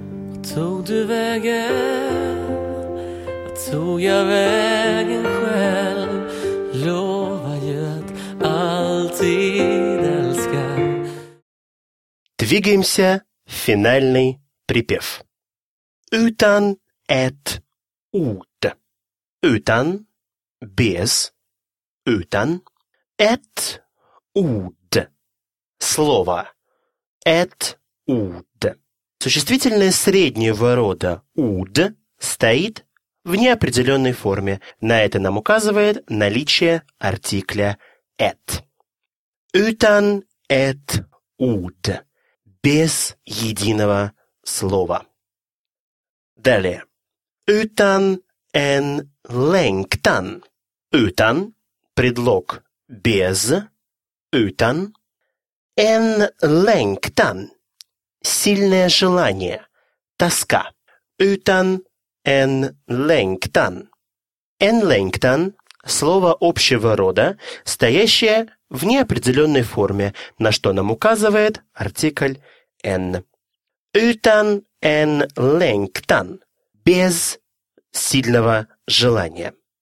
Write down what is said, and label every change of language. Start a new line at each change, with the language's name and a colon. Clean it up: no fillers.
Swedish: Vad tog du vägen? Vad tog jag vägen själv? Lovar ju att alltid älska.
Russian: Двигаемся в финальный припев.
Swedish: Utan ett ord. utan, без, utan, ett ord, слово, ett ord.
Russian: Существительное среднего рода «уд» стоит в неопределенной форме. На это нам указывает наличие артикля «эт».
Swedish: «Utan ett ord»
Russian: – без единого слова. Далее.
Swedish: «Utan en längtan»
Russian: – «utan» – предлог «без», «utan» – «en längtan» – сильное желание, тоска.
Swedish: Utan en längtan.
Russian: En längtan – слово общего рода, стоящее в неопределенной форме, на что нам указывает артикль en.
Swedish: Utan en längtan
Russian: – без сильного желания.